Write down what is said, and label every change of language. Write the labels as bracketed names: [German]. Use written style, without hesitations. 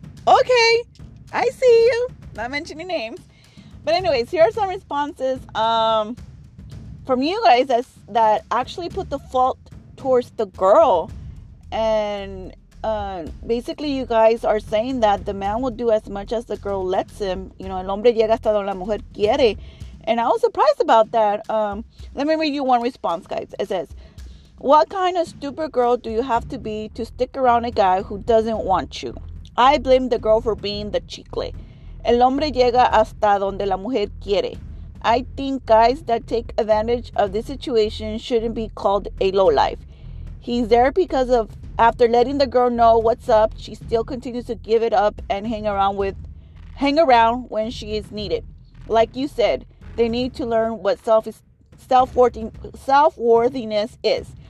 [English] Okay, I see you. Not mentioning names. But anyways, here are some responses from you guys that actually put the fault towards the girl. And basically, you guys are saying that the man will do as much as the girl lets him. You know, [Spanish] el hombre llega hasta donde la mujer quiere. [English] And I was surprised about that. Let me read you one response, guys. It says, what kind of stupid girl do you have to be to stick around a guy who doesn't want you? I blame the girl for being the chicle. [Spanish] El hombre llega hasta donde la mujer quiere. [English] I think guys that take advantage of this situation shouldn't be called a lowlife. He's there because of, after letting the girl know what's up, she still continues to give it up and hang around when she is needed. Like you said, they need to learn what self-worthiness is.